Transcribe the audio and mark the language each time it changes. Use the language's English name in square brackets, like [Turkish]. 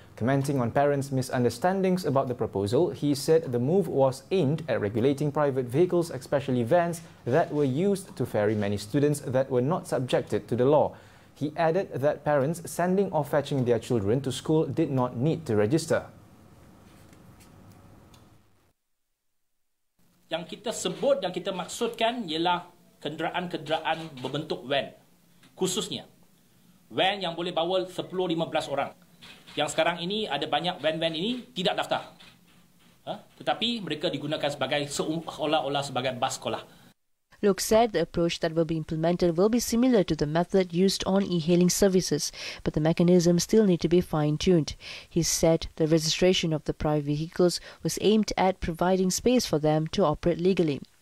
[English] Commenting on parents' misunderstandings about the proposal, he said the move was aimed at regulating private vehicles, especially vans, that were used to ferry many students that were not subjected to the law. He added that parents sending or fetching their children to school did not need to register. [Malay] Yang kita sebut, yang kita maksudkan ialah kenderaan-kenderaan berbentuk van. Khususnya, van yang boleh bawa 10-15 orang. Yang sekarang ini ada banyak van-van ini tidak daftar. Tetapi mereka digunakan sebagai seolah-olah sebagai bas sekolah. [English] Loke said the approach that will be implemented will be similar to the method used on e-hailing services, but the mechanism still need to be fine-tuned. He said the registration of the private vehicles was aimed at providing space for them to operate legally.